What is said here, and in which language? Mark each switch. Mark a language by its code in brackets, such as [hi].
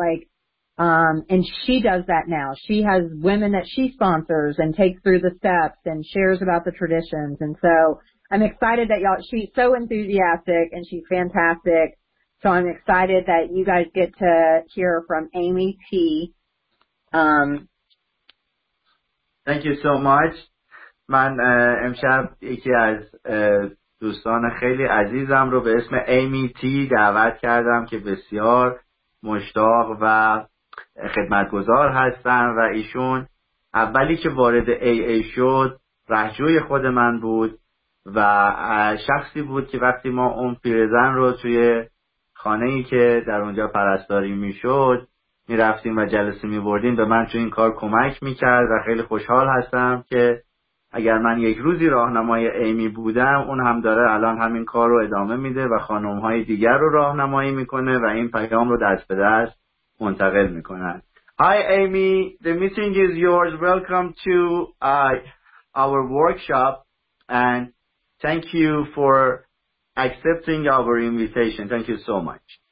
[en] Like, and she does that now. She has women that she sponsors and takes through the steps and shares about the traditions. And so I'm excited that y'all, she's so enthusiastic and she's fantastic. So I'm excited that you guys get to hear from Amy T. Thank you so much. [fa] من امشب یکی از دوستان خیلی عزیزم رو به اسم ایمی تی دعوت کردم که بسیار مشتاق و خدمتگزار هستن و ایشون اولی که وارد AA شد رهجوی خود من بود و شخصی بود که وقتی ما اون پیرزن رو توی خانه‌ای که در اونجا پرستاری میشد میرفتیم و جلسه میبردیم به من توی این کار کمک میکرد و خیلی خوشحال هستم که اگر من یک روزی راهنمای ایمی بودم اون هم داره الان همین کار رو ادامه میده و خانم‌های دیگر رو راهنمایی میکنه و این پیام رو دست به دست منتقل میکنن. [en] Hi Amy, the meeting is yours. Welcome to our workshop and thank you for accepting our invitation. Thank you so much.